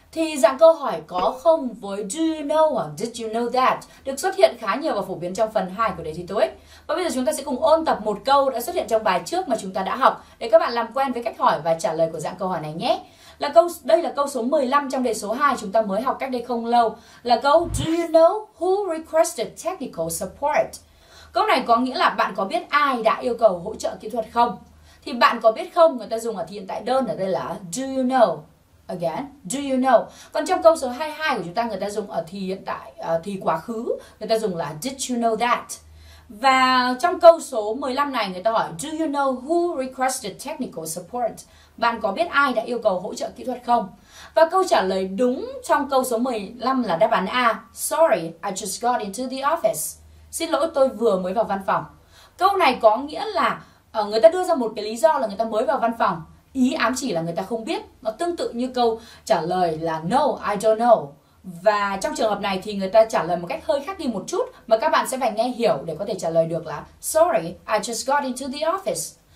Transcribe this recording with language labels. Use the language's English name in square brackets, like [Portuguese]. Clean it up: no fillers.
[Vietnamese] Thì dạng câu hỏi có không với [English] do you know [Vietnamese] hoặc [English] did you know that [Vietnamese] được xuất hiện khá nhiều và phổ biến trong phần 2 của đề thi TOEIC. Và bây giờ chúng ta sẽ cùng ôn tập một câu đã xuất hiện trong bài trước mà chúng ta đã học để các bạn làm quen với cách hỏi và trả lời của dạng câu hỏi này nhé. Đây là câu số 15 trong đề số 2 chúng ta mới học cách đây không lâu. Là câu [English] do you know who requested technical support? [Vietnamese] Câu này có nghĩa là bạn có biết ai đã yêu cầu hỗ trợ kỹ thuật không? Thì bạn có biết không, người ta dùng ở hiện tại đơn ở đây là [English] do you know. Again, do you know? [Vietnamese] Còn trong câu số 22 của chúng ta, người ta dùng ở thì hiện tại, thì quá khứ, người ta dùng là [English] did you know that? [Vietnamese] Và trong câu số 15 này, người ta hỏi [English] do you know who requested technical support? [Vietnamese] Bạn có biết ai đã yêu cầu hỗ trợ kỹ thuật không? Và câu trả lời đúng trong câu số 15 là đáp án A. [English] Sorry, I just got into the office. [Vietnamese] Xin lỗi, tôi vừa mới vào văn phòng. Câu này có nghĩa là người ta đưa ra một cái lý do là người ta mới vào văn phòng. Ý ám chỉ là người ta không biết. Nó tương tự như câu trả lời là [English] no, I don't know. [Vietnamese] Và trong trường hợp này thì người ta trả lời một cách hơi khác đi một chút mà các bạn sẽ phải nghe hiểu để có thể trả lời được là [English] sorry, I just got into the office.